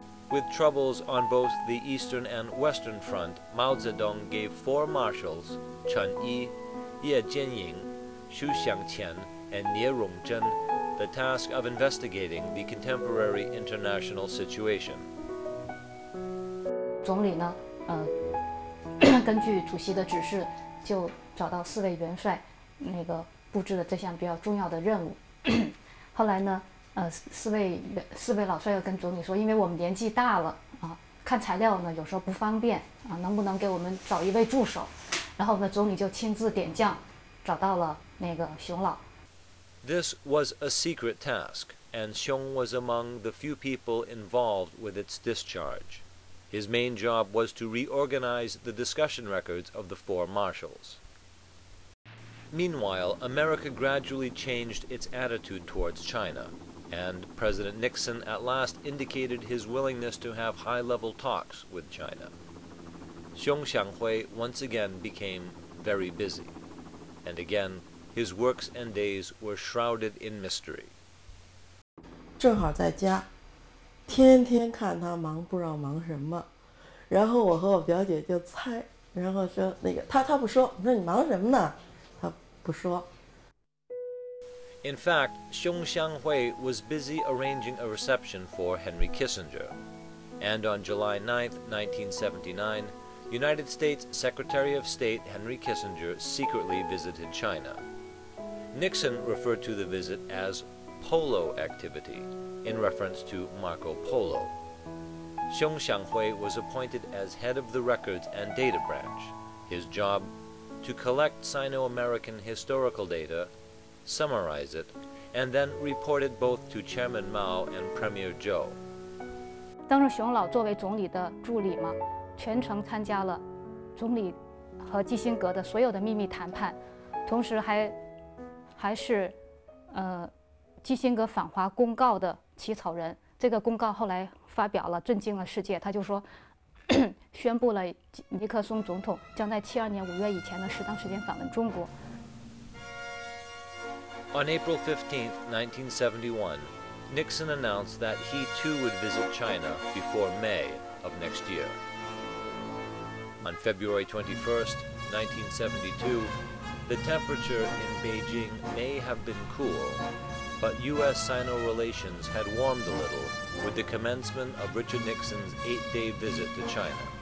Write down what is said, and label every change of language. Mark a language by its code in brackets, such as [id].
[en] With troubles on both the Eastern and Western Front, Mao Zedong gave four marshals, Chen Yi, Ye Jianying, Xu Xiangqian, and Nie Rongzhen, the task of investigating the contemporary international situation. [zh] 总理呢？根据主席的指示，就找到四位元帅，那个布置的这项比较重要的任务。后来呢，四位老帅又跟总理说，因为我们年纪大了啊，看材料呢有时候不方便啊，能不能给我们找一位助手？然后呢，总理就亲自点将，找到了那个熊老。This [en] was a secret task, and Xiong was among the few people involved with its discharge. His main job was to reorganize the discussion records of the four marshals. Meanwhile, America gradually changed its attitude towards China. and President Nixon at last indicated his willingness to have high-level talks with China. Xiong Xianghui once again became very busy, and again his works and days were shrouded in mystery. [zh] 正好在家，天天看他忙，不知道忙什么。然后我和我表姐就猜，然后说那个他不说，我说你忙什么呢？他不说。 [en] In fact, Xiong Xianghui was busy arranging a reception for Henry Kissinger. And on July 9, 1979, United States Secretary of State Henry Kissinger secretly visited China. Nixon referred to the visit as polo activity, in reference to Marco Polo. Xiong Xianghui was appointed as head of the records and data branch. His job? To collect Sino-American historical data,summarize it, and then report it both to Chairman Mao and Premier Zhou. [zh] 当时熊老作为总理的助理嘛，全程参加了总理和基辛格的所有的秘密谈判，同时还是基辛格访华公告的起草人。这个公告后来发表了，震惊了世界。他就说，宣布了尼克松总统将在72年5月以前的适当时间访问中国。 [en] On April 15, 1971, Nixon announced that he too would visit China before May of next year. On February 21, 1972, the temperature in Beijing may have been cool, but U.S.-Sino relations had warmed a little with the commencement of Richard Nixon's 8-day visit to China.